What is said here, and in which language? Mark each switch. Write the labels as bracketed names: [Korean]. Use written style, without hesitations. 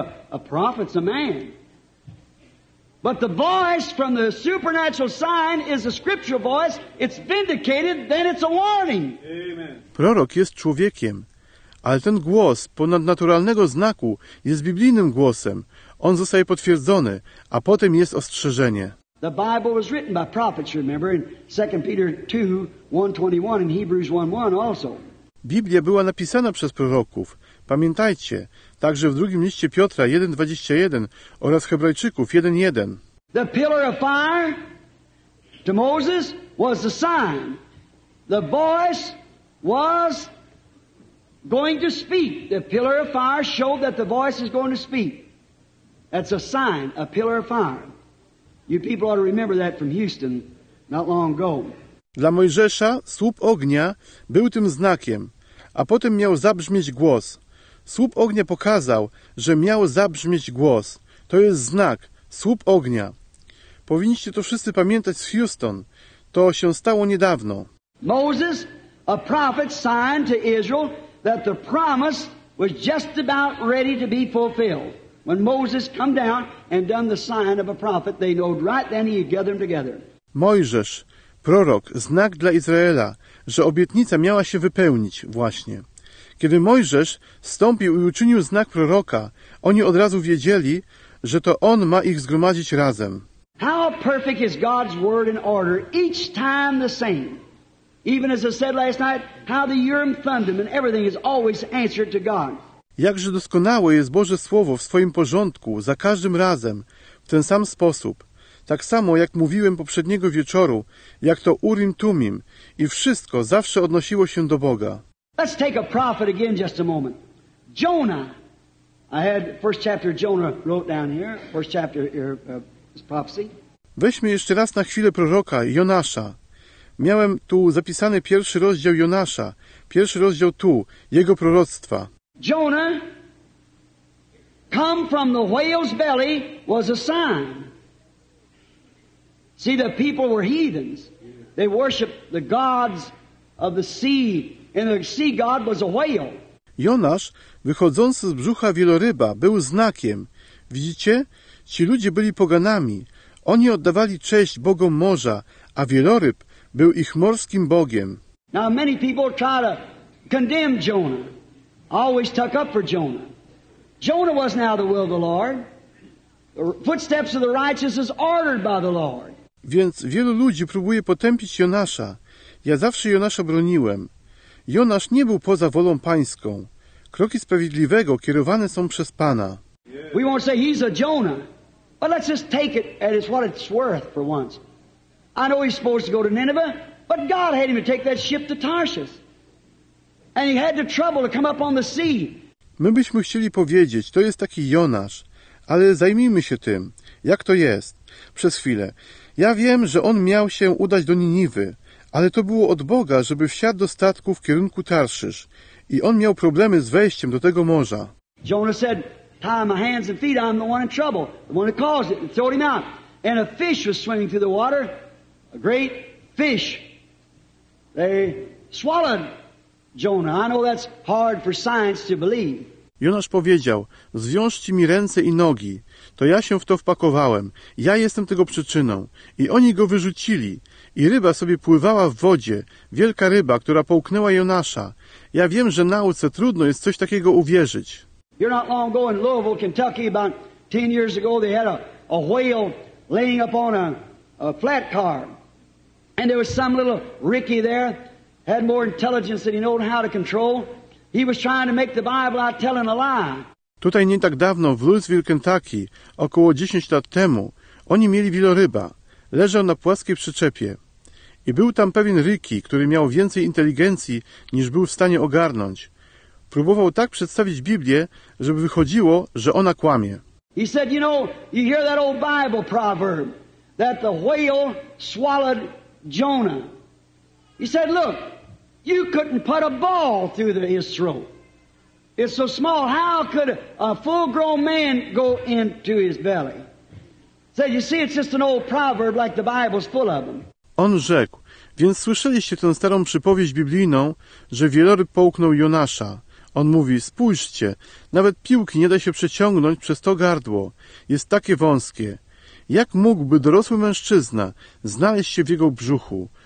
[English] A prophet's a man. But the voice from the supernatural sign is a scriptural voice. It's vindicated, then it's a warning. Amen. [Polish] Prorok jest człowiekiem. Ale ten głos ponadnaturalnego znaku jest biblijnym głosem. On zostaje potwierdzony, a potem jest ostrzeżenie. [English] The Bible was written by prophets, remember, in 2 Peter 2, 1:21 and Hebrews 1:1 also. [Polish] Biblia była napisana przez proroków. Pamiętajcie, także w drugim liście Piotra 1:21 oraz Hebrajczyków 1:1. [English] The pillar of fire to Moses was the sign. The voice was going to speak. The pillar of fire showed that the voice is going to speak. That's a sign, a pillar of fire. You people ought to remember that from Houston not long ago. [Polish] Dla Mojżesza słup ognia był tym znakiem, a potem miał zabrzmieć głos. Słup ognia pokazał, że miał zabrzmieć głos. To jest znak, słup ognia. Powinniście to wszyscy pamiętać z Houston. To się stało niedawno. [English] Moses, a prophet, signed to Israel that the promise was just about ready to be fulfilled. When Moses come down and done the sign of a prophet, they know right then he had gathered them together. [Polish] Mojżesz, prorok, znak dla Izraela, że obietnica miała się wypełnić właśnie. Kiedy Mojżesz stąpił i uczynił znak proroka, oni od razu wiedzieli, że to on ma ich zgromadzić razem. [English] How perfect is God's word in order, each time the same. Even as I said last night, how the Urim Thummim and everything is always answered to God. [Polish] Jakże doskonałe jest Boże Słowo w swoim porządku, za każdym razem, w ten sam sposób. Tak samo, jak mówiłem poprzedniego wieczoru, jak to Urim Tumim i wszystko zawsze odnosiło się do Boga. [English] Let's take a prophet again just a moment. Jonah. I had first chapter of Jonah wrote down here, first chapter his prophecy. [Polish] Weźmy jeszcze raz na chwilę proroka Jonasza. Miałem tu zapisany pierwszy rozdział Jonasza, pierwszy rozdział tu, jego proroctwa. [English] Jonah, come from the whale's belly, was a sign. See, the people were heathens. They worshiped the gods of the sea, and the sea god was a whale. [Polish] Jonasz, wychodzący z brzucha wieloryba, był znakiem. Widzicie? Ci ludzie byli poganami. Oni oddawali cześć bogom morza, a wieloryb był ich morskim bogiem. [English] Now, many people try to condemn Jonah. Always tuck up for Jonah. Jonah was now the will of the Lord. The footsteps of the righteous is ordered by the Lord. [Polish] Więc wielu ludzi próbuje potępić Jonasza. Ja zawsze Jonasza broniłem. Jonasz nie był poza wolą pańską. Kroki sprawiedliwego kierowane są przez Pana. [English] We won't say he's a Jonah, but let's just take it at what it's worth for once. I know he's supposed to go to Nineveh, but God had him to take that ship to Tarshish. And he had the trouble to come up on the sea. [Polish] My byśmy chcieli powiedzieć, to jest taki Jonasz, ale zajmijmy się tym, jak to jest, przez chwilę. Ja wiem, że on miał się udać do Niniwy, ale to było od Boga, żeby wsiadł do statku w kierunku Tarszysz. I on miał problemy z wejściem do tego morza. [English] Jonah said, tie my hands and feet, I'm the one in trouble, the one who caused it, and throw him out. And a fish was swimming through the water, a great fish. They swallowed Jonah. I know that's hard for science to believe. [Polish] Jonasz powiedział, zwiążcie mi ręce i nogi. To ja się w to wpakowałem. Ja jestem tego przyczyną. I oni go wyrzucili. I ryba sobie pływała w wodzie. Wielka ryba, która połknęła Jonasza. Ja wiem, że nauce trudno jest coś takiego uwierzyć. [English] You're not long ago in Louisville, Kentucky, about 10 years ago, they had a whale laying up on a flat car. And there was some little Ricky there. Had more intelligence than he knew how to control. He was trying to make the Bible out telling a lie. [Polish] Tutaj nie tak dawno w Louisville, Kentucky, około 10 lat temu, oni mieli wieloryba. Leżał na płaskiej przyczepie. I był tam pewien Ricky, który miał więcej inteligencji, niż był w stanie ogarnąć. Próbował tak przedstawić Biblię, żeby wychodziło, że ona kłamie. [English] He said, you know, you hear that old Bible proverb that the whale swallowed Jonah. He said, look, you couldn't put a ball through his throat. It's so small. How could a full-grown man go into his belly? He said, you see, it's just an old proverb like the Bible's full of them. [Polish] On rzekł, więc słyszeliście tę starą przypowieść biblijną, że wieloryb połknął Jonasza. On mówi, spójrzcie, nawet piłki nie da się przeciągnąć przez to gardło. Jest takie wąskie. Jak mógłby dorosły mężczyzna znaleźć się w jego brzuchu?